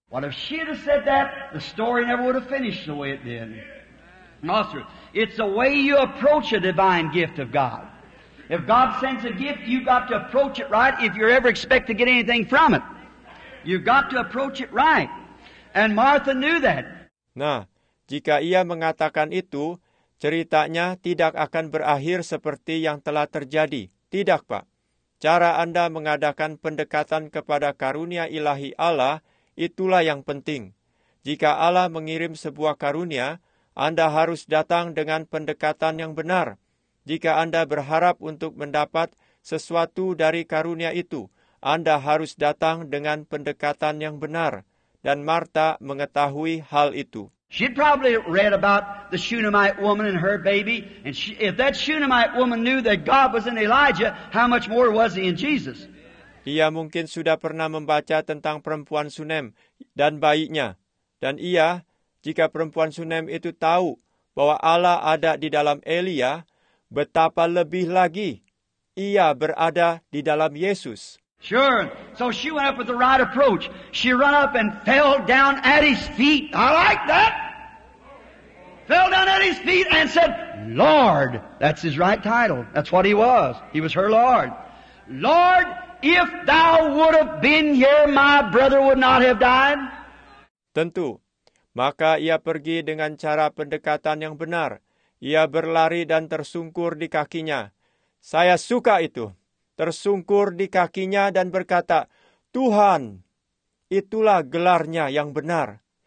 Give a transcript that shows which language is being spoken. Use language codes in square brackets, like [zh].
[en] What if she had said that, the story never would have finished the way it did. Master, it's the way you approach a divine gift of God. If God sends a gift, you've got to approach it right if you ever expect to get anything from it. You've got to approach it right. And Martha knew that. [id] Nah, jika ia mengatakan itu, ceritanya tidak akan berakhir seperti yang telah terjadi. Tidak, Pak. Cara Anda mengadakan pendekatan kepada karunia ilahi Allah, itulah yang penting. Jika Allah mengirim sebuah karunia, Anda harus datang dengan pendekatan yang benar. Jika Anda berharap untuk mendapat sesuatu dari karunia itu, Anda harus datang dengan pendekatan yang benar. Dan Martha mengetahui hal itu. [en] She'd probably read about the Shunammite woman and her baby, and she, if that Shunammite woman knew that God was in Elijah, how much more was he in Jesus? [id] Ia mungkin sudah pernah membaca tentang perempuan Sunem dan bayinya. Dan ia, jika perempuan Sunem itu tahu bahwa Allah ada di dalam Elia, betapa lebih lagi ia berada di dalam Yesus. [en] Sure. So she went up with the right approach. She ran up and fell down at his feet. I like that. Fell down at his feet and said, Lord. That's his right title. That's what he was. He was her Lord. Lord, if thou would have been here, my brother would not have died. [id] Tentu. Maka ia pergi dengan cara pendekatan yang benar. Ia berlari dan tersungkur di kakinya. Saya suka itu. Tersungkur di kakinya dan berkata, Tuhan, itulah gelarnya yang benar.